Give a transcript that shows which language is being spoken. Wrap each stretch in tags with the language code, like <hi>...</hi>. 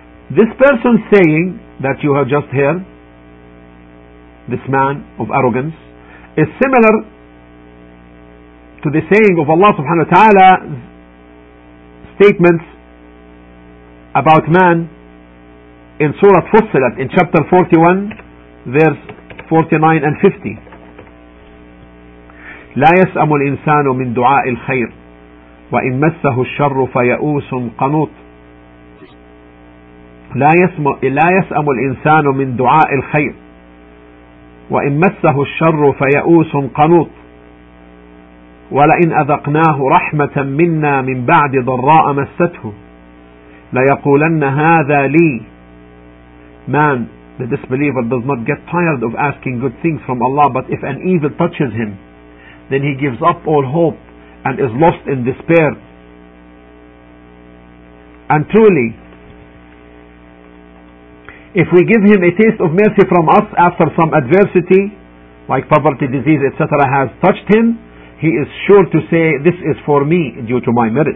<en>This person saying that you have just heard, this man of arrogance, is similar to the saying of Allah subhanahu wa ta'ala's statements about man in Surah Fussilat, in chapter 41, verse 49 and 50.</en> <ar>لا يسأم الإنسان من دعاء الخير وإن مسه الشر فيئوس قنوط. لا يسأم الإنسان من دعاء الخير وإن مسه الشر فيئوس قنوط ولئن أذقناه رحمة منا من بعد ضراء مسته ليقولن هذا لي.</ar> <en>Man, the disbeliever, does not get tired of asking good things from Allah, but if an evil touches him, then he gives up all hope and is lost in despair. And truly, if we give him a taste of mercy from us after some adversity, like poverty, disease, etc., has touched him, he is sure to say, this is for me due to my merit.</en>